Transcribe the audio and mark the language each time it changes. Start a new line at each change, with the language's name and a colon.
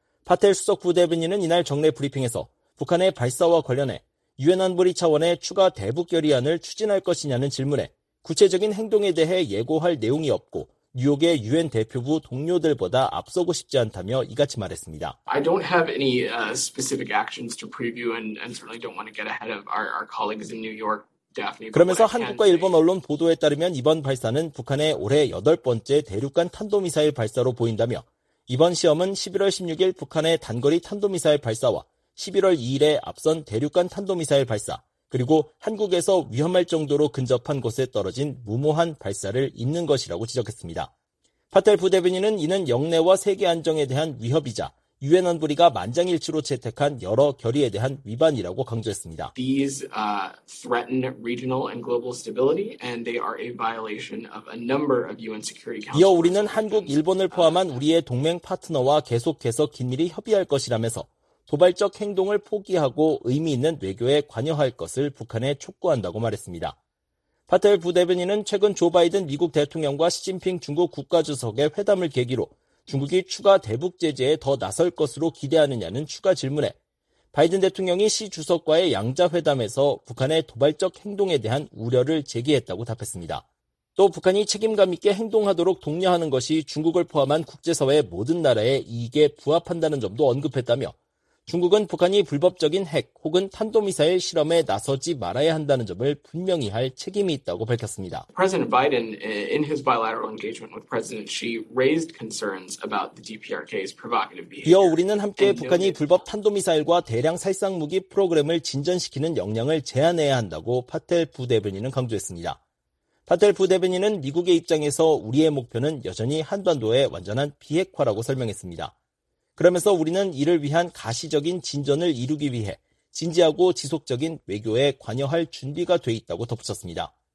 Korean: 파텔 수석 부대변인은 이날 정례 브리핑에서 북한의 발사와 관련해 유엔 안보리 차원의 추가 대북 결의안을 추진할 것이냐는 질문에 구체적인 행동에 대해 예고할 내용이 없고 뉴욕의 유엔 대표부 동료들보다 앞서고 싶지 않다며 이같이 말했습니다.
English: I don't have any specific actions to preview and certainly don't want to get ahead of our colleagues in New York, Daphne.
Korean: 그러면서 한국과 일본 언론 보도에 따르면 이번 발사는 북한의 올해 8번째 대륙간 탄도미사일 발사로 보인다며 이번 시험은 11월 16일 북한의 단거리 탄도미사일 발사와 11월 2일에 앞선 대륙간 탄도미사일 발사 그리고 한국에서 위험할 정도로 근접한 곳에 떨어진 무모한 발사를 잇는 것이라고 지적했습니다. 파텔 부대변인은 이는 역내와 세계 안정에 대한 위협이자 유엔 안보리가 만장일치로 채택한 여러 결의에 대한 위반이라고 강조했습니다.
English: These threaten regional and global stability and they are a violation of a number of UN Security Council.
Korean: 이어 우리는 한국, 일본을 포함한 우리의 동맹 파트너와 계속해서 긴밀히 협의할 것이라면서 도발적 행동을 포기하고 의미 있는 외교에 관여할 것을 북한에 촉구한다고 말했습니다. 파텔 부대변인은 최근 조 바이든 미국 대통령과 시진핑 중국 국가주석의 회담을 계기로 중국이 추가 대북 제재에 더 나설 것으로 기대하느냐는 추가 질문에 바이든 대통령이 시 주석과의 양자회담에서 북한의 도발적 행동에 대한 우려를 제기했다고 답했습니다. 또 북한이 책임감 있게 행동하도록 독려하는 것이 중국을 포함한 국제사회 모든 나라의 이익에 부합한다는 점도 언급했다며 중국은 북한이 불법적인 핵 혹은 탄도미사일 실험에 나서지 말아야 한다는 점을 분명히 할 책임이 있다고 밝혔습니다.
English: President Biden, in his bilateral engagement with President Xi, raised concerns about the DPRK's provocative behavior.
Korean: 이어 우리는 함께 북한이 불법 탄도미사일과 대량 살상무기 프로그램을 진전시키는 역량을 제한해야 한다고 파텔 부대변인은 강조했습니다. 파텔 부대변인은 미국의 입장에서 우리의 목표는 여전히 한반도의 완전한 비핵화라고 설명했습니다. 그러면서 우리는 이를 위한 가시적인 진전을 이루기 위해 진지하고 지속적인 외교에 관여할 준비가 돼 있다고 덧붙였습니다.